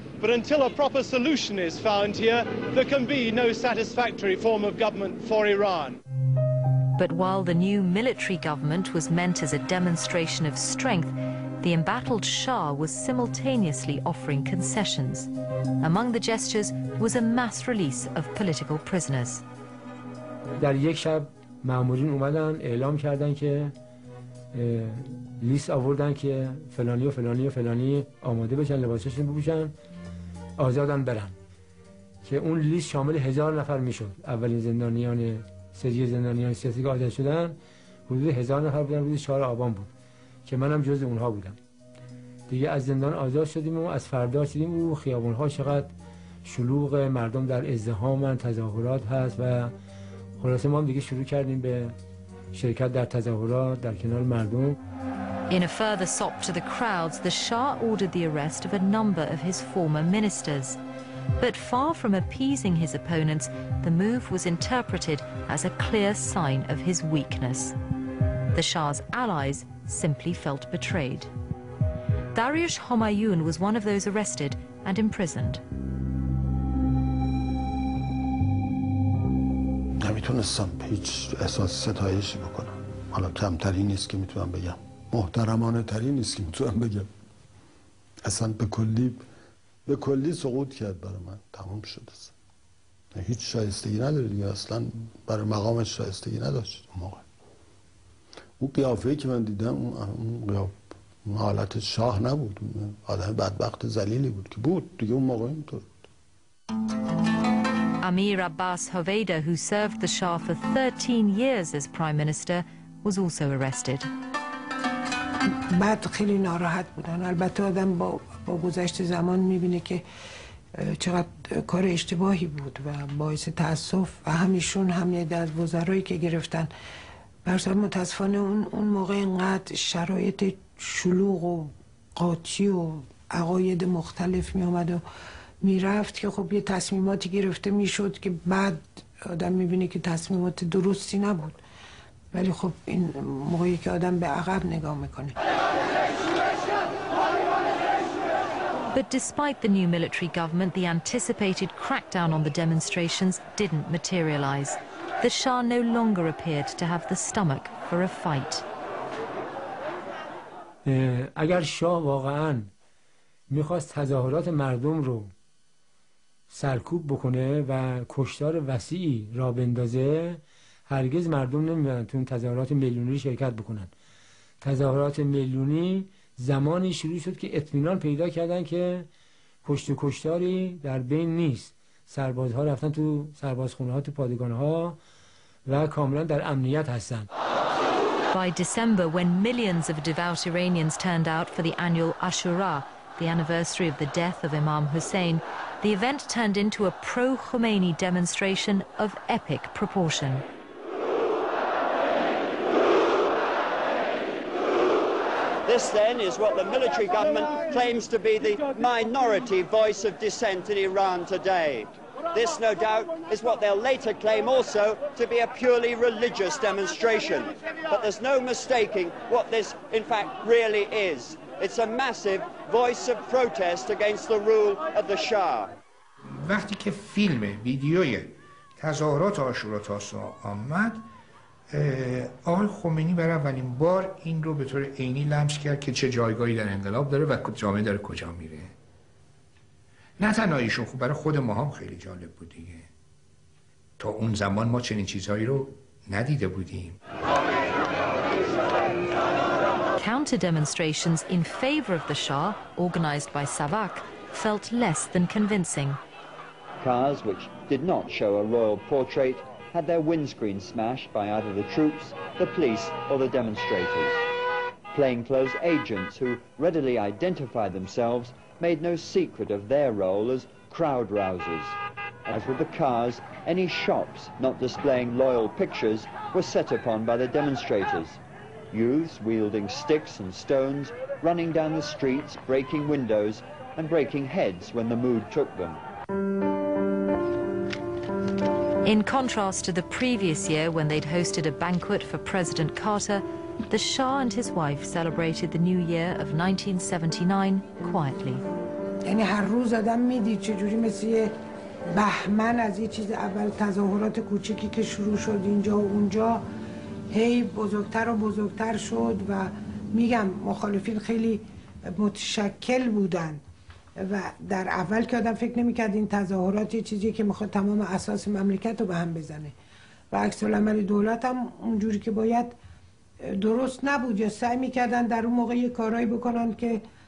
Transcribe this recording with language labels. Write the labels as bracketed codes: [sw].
[en] But until a proper solution is found here, there can be no satisfactory form of government for Iran. But while the new military government was meant as a demonstration of strength, the embattled Shah was simultaneously offering concessions. Among the gestures was a mass release of political prisoners. [fa] در یک شب مامورین اومدن اعلام کردن که لیست آوردن که فلانی و فلانی و فلانی آماده بشن لباسشون بپوشن آزادن برن که اون لیست شامل 1000 نفر میشد اولین زندانیان سری زندانیان سیاسی که آزاد شدن حدود 1000 نفر بودن روز 4 آبان بود که منم جز اونها بودم دیگه از زندان آزاد شدیم و از فردا شدیم و خیابونها چقدر شلوغ مردم در ازدحامن تظاهرات هست و خلاصه ما هم دیگه شروع کردیم به شرکت در تظاهرات در کنار مردم [en] In a further sop to the crowds, the Shah ordered the arrest of a number of his former ministers. But far from appeasing his opponents, the move was interpreted as a clear sign of his weakness. The Shah's allies simply felt betrayed. Dariush Homayoun was one of those arrested and imprisoned. [fa] نمیتونستم هیچ احساس ستایشی بکنم. حالا کمتری نیست که میتونم بگم. محترمانه تری نیست که میتونم بگم. اصلا به کلی سقوط کرد برای من. تمام شد اصلا. هیچ شایستگی نداره دیگه اصلا برای مقام شایستگی نداشت اون موقع. اون قیافه‌ای که من دیدم اون قیافه حالت شاه نبود. آدم بدبخت ذلیلی بود که بود دیگه اون موقع اینطور بود. [en] Amir Abbas Hoveyda, who served the Shah for 13 years as prime minister, was also arrested. [fa] بعد خیلی ناراحت بودن. البته آدم با گذشت زمان می‌بینه که چقدر کار اشتباهی بود و باعث تأسف و همیشون هم یه از وزرایی که گرفتن. برسر متاسفانه اون موقع اینقدر شرایط شلوغ و قاطی و عقاید مختلف می‌اومد و میرفت که خب یه تصمیماتی گرفته میشد که بعد آدم میبینه که تصمیمات درستی نبود ولی خب این موقعی که آدم به عقب نگاه میکنه [en] But despite the new military government, the anticipated crackdown on the demonstrations didn't materialize. The Shah no longer appeared to have the stomach for a fight. [fa] اگر شاه واقعا میخواست تظاهرات مردم رو سرکوب بکنه و کشتار وسیعی را بندازه هرگز مردم نمیدن تو تظاهرات میلیونی شرکت بکنن تظاهرات میلیونی زمانی شروع شد که اطمینان پیدا کردن که کشت و کشتاری در بین نیست سربازها رفتن تو سربازخونه ها تو پادگان ها و کاملا در امنیت هستن [en] By December when millions of devout Iranians turned out for the annual Ashura the anniversary of the death of Imam Hussein The event turned into a pro-Khomeini demonstration of epic proportion. This then is what the military government claims to be the minority voice of dissent in Iran today. This, no doubt, is what they'll later claim also to be a purely religious demonstration. But there's no mistaking what this, in fact, really is. It's a massive voice of protest against the rule of the Shah. [fa] وقتی که فیلم ویدیوی تظاهرات عاشورا تاسوعا آمد آقای خمینی برای اولین بار این رو به طور عینی لمس کرد که چه جایگاهی در انقلاب داره و جامعه داره کجا میره نه تنها ایشون خوب برای خود ما هم خیلی جالب بود دیگه تا اون زمان ما چنین چیزهایی رو ندیده بودیم [en] Counter demonstrations in favor of the Shah organized by Savak felt less than convincing Cars, which did not show a royal portrait, had their windscreen smashed by either the troops, the police, or the demonstrators. Plainclothes agents who readily identified themselves made no secret of their role as crowd rousers. As with the cars, any shops not displaying loyal pictures were set upon by the demonstrators. Youths wielding sticks and stones, running down the streets, breaking windows, and breaking heads when the mood took them. In contrast to the previous year when they'd hosted a banquet for President Carter, the Shah and his wife celebrated the new year of 1979 quietly. [fa] یعنی هر روز آدم می‌دید چجوری مثل یه بهمن از یه چیز اول تظاهرات کوچیکی که شروع شد اینجا و اونجا هی بزرگتر و بزرگتر شد و میگم مخالفین خیلی متشکل بودن و در اول که آدم فکر نمی‌کرد این تظاهرات یه چیزی که می‌خواد تمام اساس مملکت رو به هم بزنه و عکس‌العمل دولت هم اونجوری که باید درست نبود یا سعی می‌کردن در اون موقع یه کارایی بکنن که